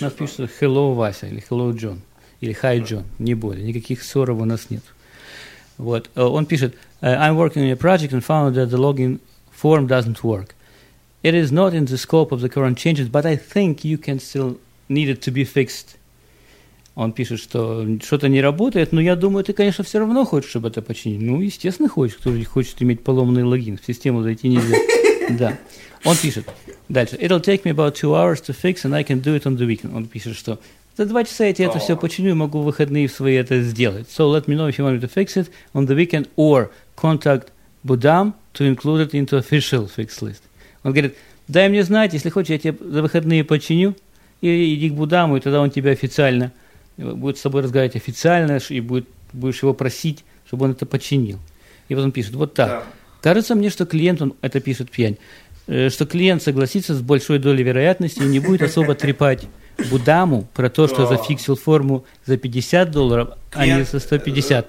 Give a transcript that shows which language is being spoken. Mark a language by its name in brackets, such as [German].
[Russian] У нас пишут «Hello, Вася», или «Hello, John», или «Hi, John», не более, никаких «sir» у нас нет. Вот. Он пишет, [English] I'm working on a project and found that the login form doesn't work. It is not in the scope of the current changes, but I think you can still need it to be fixed. [Russian] Он пишет, что что-то не работает, но я думаю, ты, конечно, все равно хочешь, чтобы это починить. Ну, естественно, хочешь, кто хочет иметь поломанный логин, в систему зайти нельзя. Да. Он пишет дальше, [English] it'll take me about 2 hours to fix and I can do it on the weekend. [Russian] Он пишет, что за 2 часа я тебе это все починю, могу в выходные свои это сделать. [English] So let me know if you want me to fix it on the weekend or contact Budam to include it into official fix list. [Russian] Он говорит, дай мне знать, если хочешь, я тебе за выходные починю, и иди к Будаму, и тогда он тебя официально будет с тобой разговаривать официально, и будешь его просить, чтобы он это починил. И вот он пишет, вот так. Да. Кажется мне, что клиент, он это пишет Пьянь, что клиент согласится с большой долей вероятности и не будет особо трепать Будаму про то, что зафиксил форму за $50, а не за 150.